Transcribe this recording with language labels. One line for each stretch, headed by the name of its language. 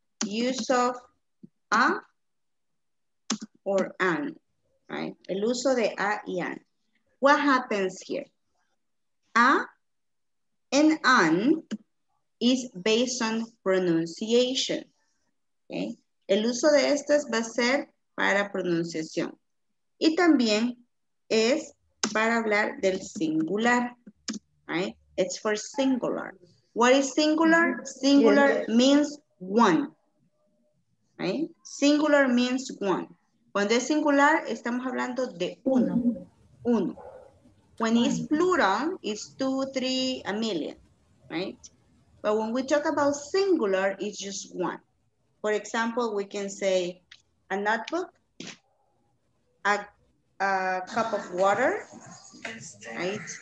English: Use of a or an, right?
Spanish: El uso de a y an.
English: What happens here? A and an is based on pronunciation, okay?
Spanish: El uso de estas va a ser para pronunciación. Y también es para hablar del singular, right?
English: It's for singular. What is singular? Singular means one, right? Singular means one.
Spanish: Cuando es singular, estamos hablando de uno, uno.
English: When it's plural, it's two, three, a million, right? But when we talk about singular, it's just one. For example, we can say a notebook, a cup of water, right?